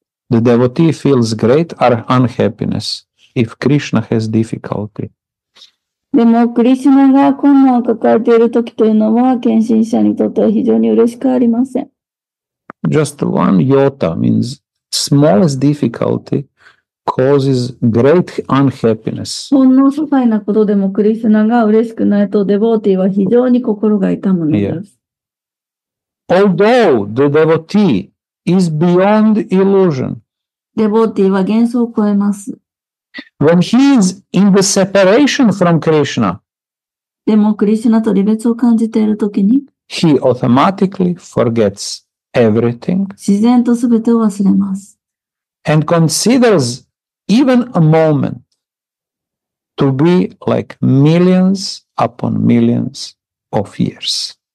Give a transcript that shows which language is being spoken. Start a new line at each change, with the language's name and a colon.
English: The devotee feels great unhappiness if Krishna has difficulty.
Japanese: でも、クリシュナが困難を抱えている時というのは、献身者にとっては非常に嬉しくありません。
English: Just one iota means smallest difficulty. Causes great unhappiness.
Japanese: ほんの些細なことでもクリシュナが嬉しくないとデボーティーは非常に心が痛むのです。 Yeah.
English: Although the devotee is beyond illusion.
Japanese: デボーティーは幻想を超えます。
English: When he is in the separation from Krishna.
Japanese: でもクリシュナと離別を感じているときに
English: He automatically forgets everything.
Japanese: 自然とすべてを忘れます。
English: And considers Even a moment to be like millions upon millions of years.